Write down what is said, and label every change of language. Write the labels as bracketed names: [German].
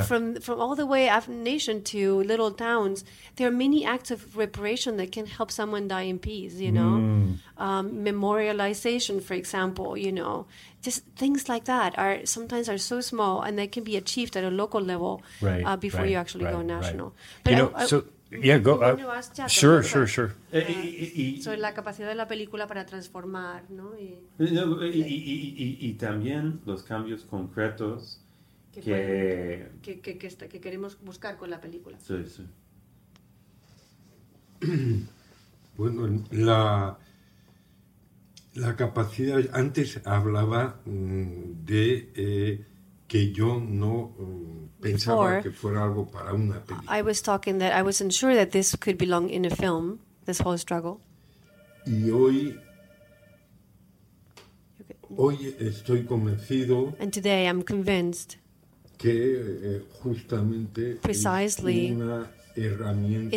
[English] so from all the way up nation to little towns, there are many acts of reparation that can help someone die in peace, you know. Memorialization, for example, you know, just things like that are sometimes so small, and they can be achieved at a local level before you actually go national. Right. [Spanish] Sobre la capacidad de la película para transformar, ¿no? Y también los cambios concretos que queremos buscar con la película. Sí, sí. Bueno, la capacidad, antes hablaba de que yo no pensaba [English] Before, [Spanish] que fuera algo para una película. [English] I was talking that I wasn't sure that this could belong in a film, this whole struggle. [Spanish] Y hoy estoy convencido. [English] And today I'm convinced. [Spanish] Que justamente [English] Precisely, [Spanish] es una herramienta